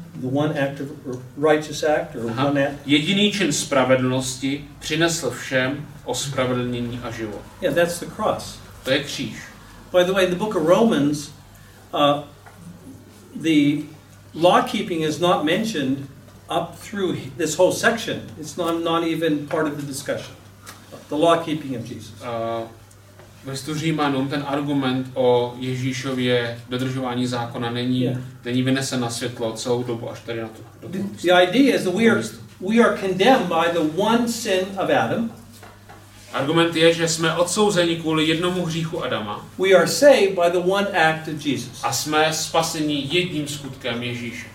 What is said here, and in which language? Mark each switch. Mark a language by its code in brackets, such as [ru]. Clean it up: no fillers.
[en] The one act of righteous act or one act. [cs] Jediný čin spravedlnosti přinesl všem ospravedlnění a život. [en] Yeah, that's the cross. [cs] To je kříž. [en] By the way, in the book of Romans, the law keeping is not mentioned up through this whole section. It's not even part of the discussion. The law keeping of Jesus. [cs] Ve listu Římanům ten argument o Ježíšově dodržování zákona není vynesen na světlo celou dobu až tady na to. [en] The idea is that we are condemned by the one sin of Adam. [cs] Argument je, že jsme odsouzeni kvůli jednomu hříchu Adama. [en] We are saved by the one act of Jesus. [cs] A jsme spaseni jedním skutkem Ježíše,